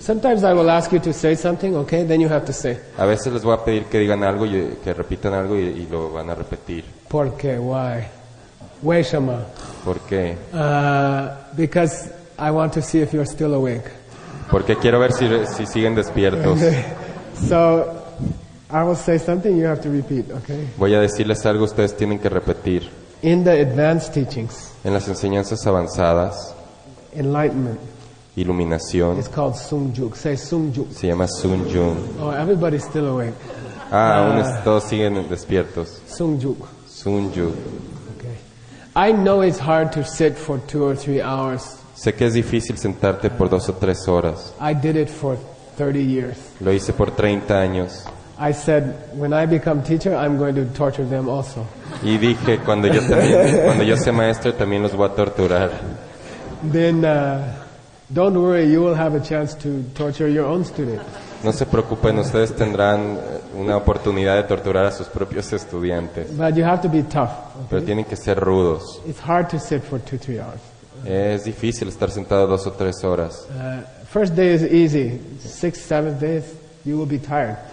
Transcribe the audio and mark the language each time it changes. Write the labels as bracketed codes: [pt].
[en] Sometimes I will ask you to say something, okay? Then you have to say. [es] A veces les voy a pedir que digan algo, que repitan algo y lo van a repetir. ¿Por qué? [en] Why? [zh] Wei shema. [es] ¿Por qué? [en] Because I want to see if you're still awake. [es] Porque quiero ver si siguen despiertos. [en] So I will say something, you have to repeat, okay? [es] Voy a decirles algo, ustedes tienen que repetir. [en] In the advanced teachings. [es] En las enseñanzas avanzadas. [en] Enlightenment. [es] Iluminación. [en] It's called sungjup. Say sungjup. [es] Se llama sungjup. [en] Oh, everybody's still awake. [es] Aún todos siguen despiertos. [en] Sungjup. Sungjup. Okay. I know it's hard to sit for 2 or 3 hours. [es] Sé que es difícil sentarte por 2 o 3 horas. [en] I did it for 30 years. [es] Lo hice por 30 años. [en] I said, when I become teacher, I'm going to torture them also. [es] Y dije, cuando yo sea maestro, también los voy a torturar. [en] Then, don't worry, you will have a chance to torture your own student. [es] No se preocupen, ustedes tendrán una oportunidad de torturar a sus propios estudiantes. [en] But you have to be tough. Okay? [es] Pero tienen que ser rudos. [en] It's hard to sit for 2-3 hours. [es] Es difícil estar sentado 2 o 3 horas. [en] First day is easy. 6th, 7th day is you will be tired.